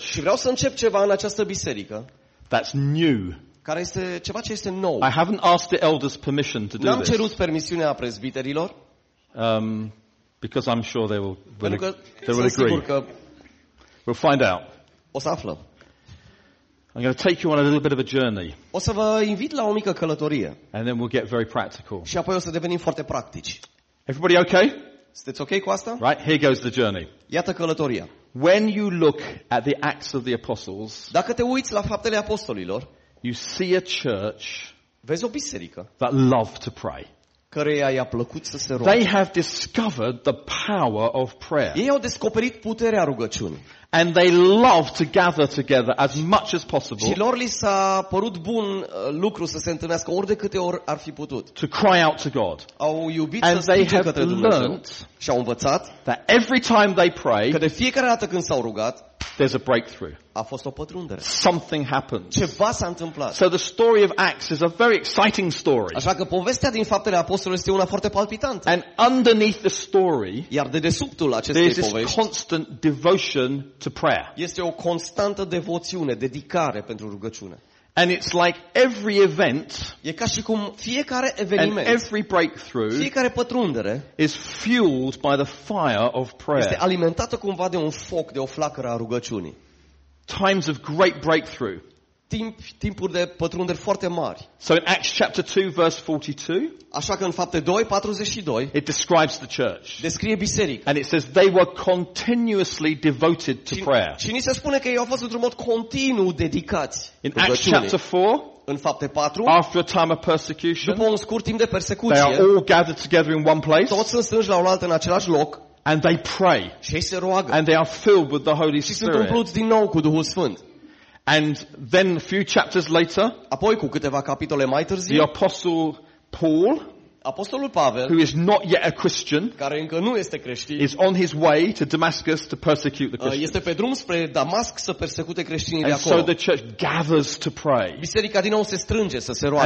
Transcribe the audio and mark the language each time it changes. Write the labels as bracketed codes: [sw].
[ro] Și vreau să încep ceva în această biserică. [en] That's new. [ro] Care este ceva ce este nou. [en] I haven't asked the elders permission to do [ro] this. N-am cerut permisiunea prezbiterilor. [en] Because I'm sure they will agree. [ro] Sigur că [en] we'll find out. [ro] O să aflăm. [en] I'm going to take you on a little bit of a journey. [ro] O să vă invit la o mică călătorie. [en] And then we'll get very practical. [ro] Și apoi o să devenim foarte practici. [en] Everybody okay? [ro] Sunteți okay cu asta? [en] Right, here goes the journey. [ro] Iată călătoria. [en] When you look at the Acts of the Apostles, [ro] dacă te uiți la Faptele Apostolilor, [en] you see a church, [ro] vezi o biserică, [en] that loved to pray. [ro] Căreia i-a plăcut să se roage. [en] They have discovered the power of prayer. [ro] Ei au descoperit puterea rugăciunii. [en] And they love to gather together as much as possible. [ro] Și lor li s-a părut bun lucru să se întâlnească ori de câte ori ar fi putut. [en] To cry out to God. [ro] Au iubit [en] and [ro] să strige către Dumnezeu. Și au învățat [en] that every time they pray, [ro] că de fiecare dată când s-au rugat, [en] there's a breakthrough. [ro] A fost o pătrundere. [en] Something happens. [ro] Ceva s-a întâmplat. [en] So the story of Acts is a very exciting story. [ro] Așa că povestea din Faptele Apostolilor este una foarte palpitantă. [en] And underneath the story, [ro] iar dedesubtul acestei povești, [en] there's this constant devotion to prayer. [ro] Este o constantă devoțiune, dedicare pentru rugăciune. [en] And it's like every event, [ro] e ca și cum fiecare eveniment, [en] and every breakthrough, [ro] fiecare pătrundere, [en] is fueled by the fire of prayer. [ro] Este alimentată cumva de un foc, de o flacără a rugăciunii. [en] Times of great breakthrough. [ro] Timpuri de pătrundere foarte mari. [en] So in Acts chapter 2 verse 42, [ro] așa că în Fapte 2 42, [en] it describes the church. [ro] Descrie biserica. [en] And it says they were continuously devoted to prayer. [ro] Și ni se spune că ei au fost într-un mod continuu dedicați. [en] In Acts chapter 4, [ro] în Fapte 4, [en] after a time of persecution, [ro] după un scurt timp de persecuție, [en] they are all gathered together in one place. [ro] Toți sunt strânși la oaltă în același loc. [en] And they pray. [ro] Și ei se roagă. [en] And they are filled with the Holy Spirit. [ro] Și sunt umpluți din nou cu Duhul Sfânt. [en] And then a few chapters later, [ro] apoi cu câteva capitole mai târziu, [en] the apostle Paul, [ro] Apostolul Pavel, [en] who is not yet a Christian, [ro] care încă nu este creștin, [en] is on his way to Damascus to persecute the Christians. [ro] Este pe drum spre Damasc să persecute creștinii de acolo. [en] And so the church gathers to pray. [ro] Biserica din nou se strânge să se roage.